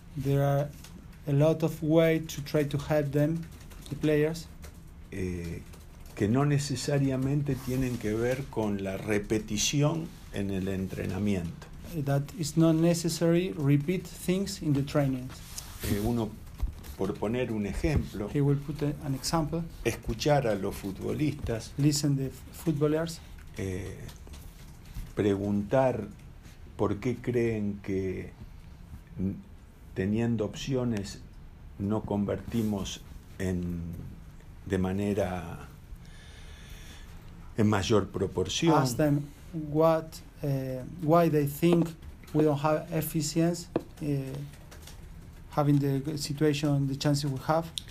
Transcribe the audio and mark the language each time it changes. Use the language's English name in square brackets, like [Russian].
[English] There are a lot of ways to try to help them, the players. [Spanish] Que no necesariamente tienen que ver con la repetición en el entrenamiento. [English] That is not necessary repeat things in the training. [Spanish] Uno, por poner un ejemplo. [English] He will put an example. [Spanish] Escuchar a los futbolistas. [English] Listen the footballers. [Spanish] Preguntar. ¿Por qué creen que teniendo opciones no convertimos de manera mayor proporción? [English] Ask them what why they think we don't have efficiency having the situation, the chances we have.